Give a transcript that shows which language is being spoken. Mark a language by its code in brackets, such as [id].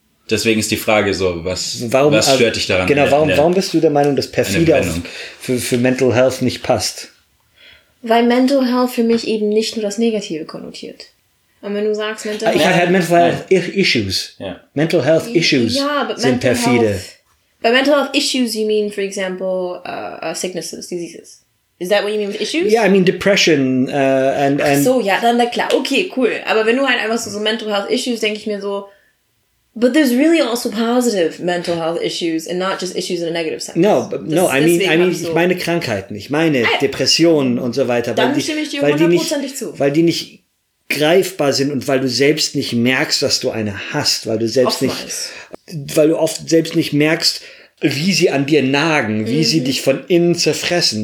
[de] Deswegen ist die Frage so, was stört dich daran? Genau, warum bist du der Meinung, dass perfide für Mental Health nicht passt? Weil Mental Health für mich eben nicht nur das Negative konnotiert. Und wenn du sagst, Mental Health... Ich hatte Mental Health Issues. [en] Yeah. [de] Mental Health Issues sind perfide. [en] By Mental Health Issues, you mean, for example, sicknesses, diseases. Is that what you mean with issues? Yeah, I mean depression and... [de] Ach so, ja, dann klar, okay, cool. Aber wenn du halt einfach so Mental Health Issues, denke ich mir so... [en] But there's really also positive mental health issues and not just issues in a negative sense. [de] Ich meine Krankheiten, ich meine Depressionen und so weiter. Dann stimme ich dir hundertprozentig zu. Weil die nicht... greifbar sind und weil du selbst nicht merkst, dass du eine hast, weil du oft selbst nicht merkst, wie sie an dir nagen, wie sie dich von innen zerfressen.